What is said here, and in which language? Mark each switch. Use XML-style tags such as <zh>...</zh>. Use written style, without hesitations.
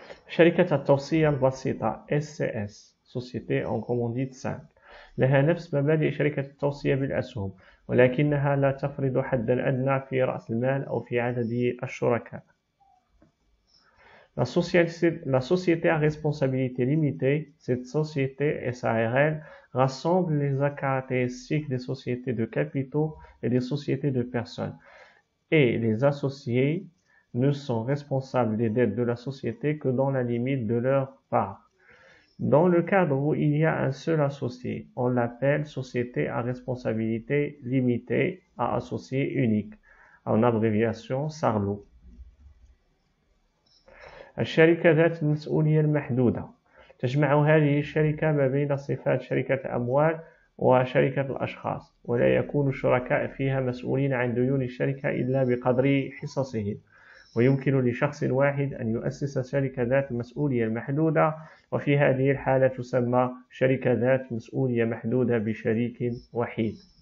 <ar>شركة التوصية البسيطة SCS, société en commandite simple. لها نفس مبادئ شركة التوصية بالأسهم، ولكنها لا تفرض حدا أدنى في رأس المال أو في عدد الشركاء.</ar> <fr>La société à responsabilité limitée, cette société SARL, rassemble les caractéristiques des sociétés de capitaux et des sociétés de personnes. Et les associés ne sont responsables des dettes de la société que dans la limite de leur part. Dans le cadre où il y a un seul associé, on l'appelle société à responsabilité limitée à associé unique, en abréviation SARLO.</fr> <ar>الشركة ذات المسؤولية المحدودة تجمع هذه الشركة ما بين صفات شركة الأموال وشركة الأشخاص، ولا يكون الشركاء فيها مسؤولين عن ديون الشركة إلا بقدر حصصهم، ويمكن لشخص واحد أن يؤسس شركة ذات المسؤولية المحدودة، وفي هذه الحالة تسمى شركة ذات مسؤولية محدودة بشريك وحيد.</ar>